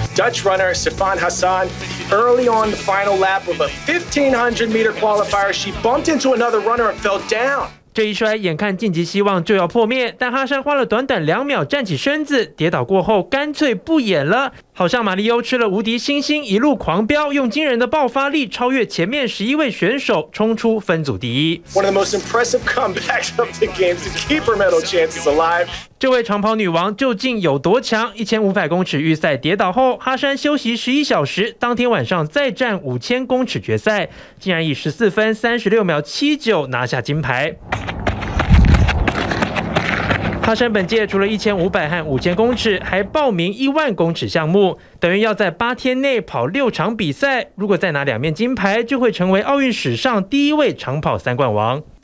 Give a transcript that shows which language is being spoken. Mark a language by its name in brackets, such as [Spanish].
[English] Dutch runner Stefan Hassan, early on the final lap of a 1500 meter qualifier, she bumped into another runner and fell down. [Chinese] 这一摔眼看晋级希望就要破灭，但哈山花了短短两秒站起身子，跌倒过后干脆不演了，好像马里欧吃了无敌星星一路狂飙，用惊人的爆发力超越前面十一位选手，冲出分组第一。 [English] One of the most impressive comebacks of the game to keep her medal chances alive。 [Chinese] 这位长跑女王究竟有多强？1500公尺预赛跌倒后，哈山休息11小时，当天晚上再战5000公尺决赛，竟然以14分36秒79拿下金牌。哈山本届除了1500和5000公尺，还报名10000公尺项目，等于要在8天内跑6场比赛，如果再拿两面金牌，就会成为奥运史上第一位长跑三冠王。